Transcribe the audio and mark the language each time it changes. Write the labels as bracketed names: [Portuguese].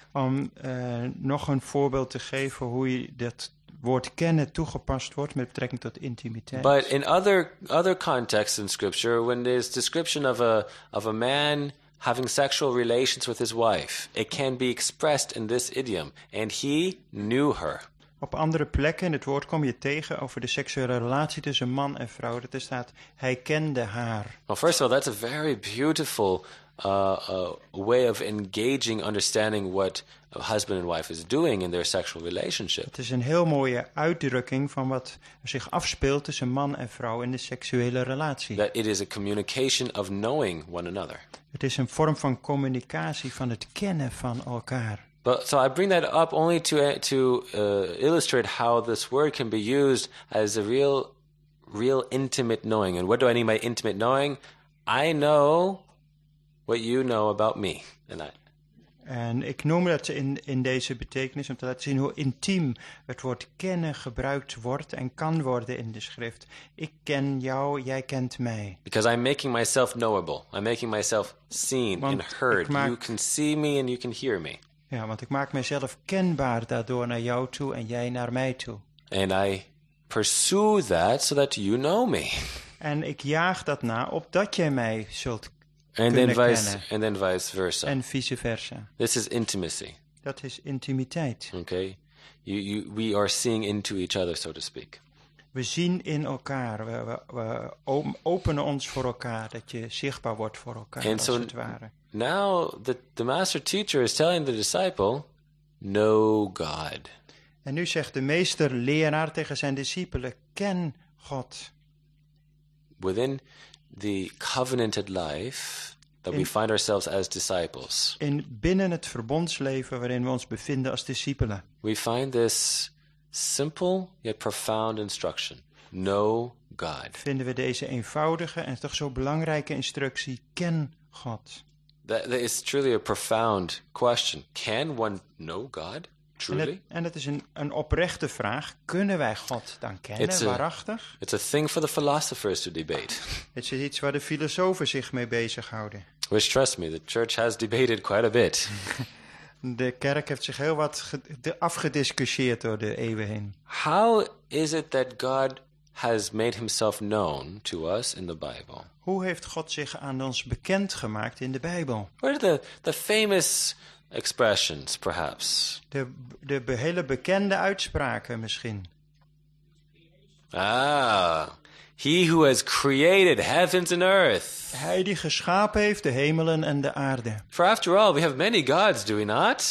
[Dutch] Om nog een voorbeeld te geven hoe je dat woord kennen toegepast wordt met betrekking tot intimiteit. [English] But in other contexts in scripture, when there's description of a man having sexual relations with his wife, it can be expressed in this idiom, and he knew her. [Dutch] Op andere plekken in het woord kom je tegen over de seksuele relatie tussen man en vrouw. Dat er staat, hij kende haar. [English] Well, first of all, that's a very beautiful way of engaging, understanding what a husband and wife is doing in their sexual relationship. [Dutch] Het is een heel mooie uitdrukking van wat er zich afspeelt tussen man en vrouw in de seksuele relatie. [English] That it is a communication of knowing one another. [Dutch] Het is een vorm van communicatie, van het kennen van elkaar. [English] But so I bring that up only to illustrate how this word can be used as a real intimate knowing. And what do I mean by intimate knowing? I know what you know about me and I. [Dutch] En ik noem dat in deze betekenis om te laten zien hoe intiem het woord kennen gebruikt wordt en kan worden in de schrift. Ik ken jou, jij kent mij. [English] Because I'm making myself knowable. I'm making myself seen [Dutch] Want [English] and heard. You can see me and you can hear me. [Dutch] Ja, want ik maak mezelf kenbaar daardoor naar jou toe en jij naar mij toe. [English] And I pursue that so that you know me. [Dutch] En ik jaag dat na opdat jij mij zult kunnen [English] kennen. And then vice versa. [Dutch] En vice versa. [English] This is intimacy. [Dutch] Dat is intimiteit. [English] Okay. We are seeing into each other, so to speak. [Dutch] We zien in elkaar. We openen ons voor elkaar, dat je zichtbaar wordt voor elkaar, [English] and [Dutch] als [English] so [Dutch] het ware. [English] Now the master teacher is telling the disciple, know God. [Dutch] En nu zegt de meester leraar tegen zijn discipelen, ken God. [English] Within the covenanted life that we find ourselves as disciples. [Dutch] In binnen het verbondsleven waarin we ons bevinden als discipelen. [English] We find this simple yet profound instruction. Know God. [Dutch] Vinden we deze eenvoudige en toch zo belangrijke instructie, ken God. [English] That is truly a profound question. Can one know God truly? [Dutch] En het is een oprechte vraag. Kunnen wij God dan kennen, waarachtig? [English] It's a thing for the philosophers to debate. [Dutch] Het is iets waar de filosofen zich mee bezighouden. [English] Which, trust me, the church has debated quite a bit. [Dutch] De kerk heeft zich heel wat afgediscussieerd door de eeuwen heen. [English] How is it that God has made himself known to us in the Bible? [Dutch] Hoe heeft God zich aan ons bekend gemaakt in de Bijbel? [English] What are the famous expressions, perhaps? [Dutch] De hele bekende uitspraken misschien. [English] Ah, he who has created heavens and earth. [Dutch] Hij die geschapen heeft de hemelen en de aarde. [English] For after all, we have many gods, do we not?